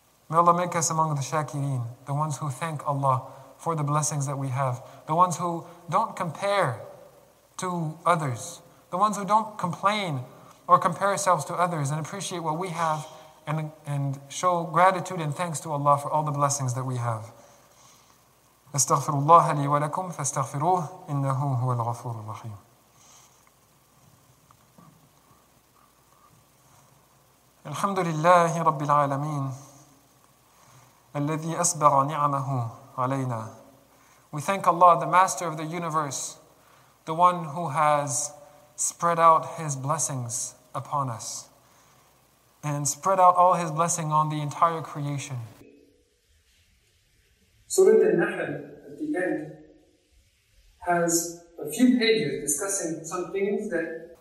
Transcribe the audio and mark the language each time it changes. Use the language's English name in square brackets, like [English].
[English] May Allah make us among the shakirin, the ones who thank Allah for the blessings that we have, the ones who don't compare to others, the ones who don't complain or compare ourselves to others and appreciate what we have and show gratitude and thanks to Allah for all the blessings that we have. [Arabic] أستغفر الله لي ولكم فاستغفروه إنه هو الغفور الرحيم. الحمد لله رب العالمين الذي أسبغ نعمه علينا. [English] We thank Allah, the Master of the Universe, the one who has spread out His blessings upon us and spread out all His blessing on the entire creation. Surah An-Nahl at the end has a few pages discussing some things that...